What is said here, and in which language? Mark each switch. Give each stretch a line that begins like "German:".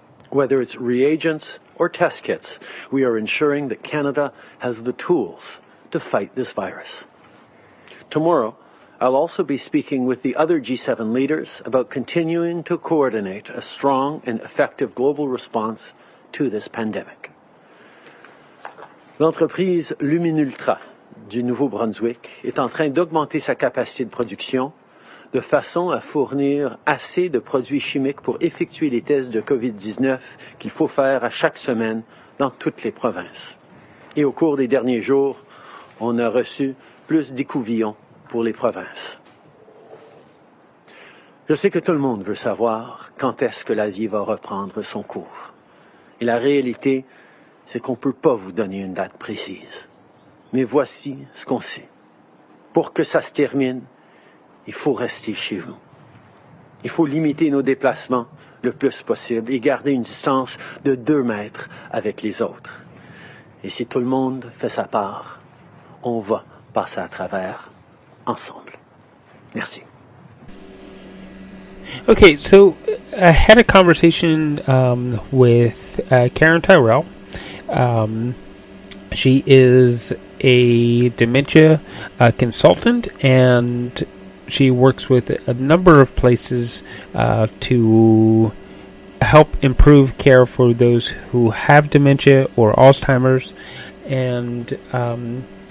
English: Whether it's reagents or test kits, we are ensuring that Canada has the tools to fight this virus. Tomorrow, I'll also be speaking with the other G7 leaders about continuing to coordinate a strong and effective global response to this pandemic.
French: L'entreprise Lumen Ultra du Nouveau-Brunswick est en train d'augmenter sa capacité de production de façon à fournir assez de produits chimiques pour effectuer les tests de COVID-19 qu'il faut faire à chaque semaine dans toutes les provinces. Et au cours des derniers jours, on a reçu plus d'écouvillons pour les provinces. Je sais que tout le monde veut savoir quand est-ce que la vie va reprendre son cours. Et la réalité, c'est qu'on ne peut pas vous donner une date précise. Mais voici ce qu'on sait. Pour que ça se termine, il faut rester chez vous. Il faut limiter nos déplacements le plus possible et garder une distance de 2 mètres avec les autres. Et si tout le monde fait sa part, on va passer à travers ensemble. Merci.
English: Okay, so I had a conversation with Karen Tyrell. She is a dementia consultant, and she works with a number of places to help improve care for those who have dementia or Alzheimer's, and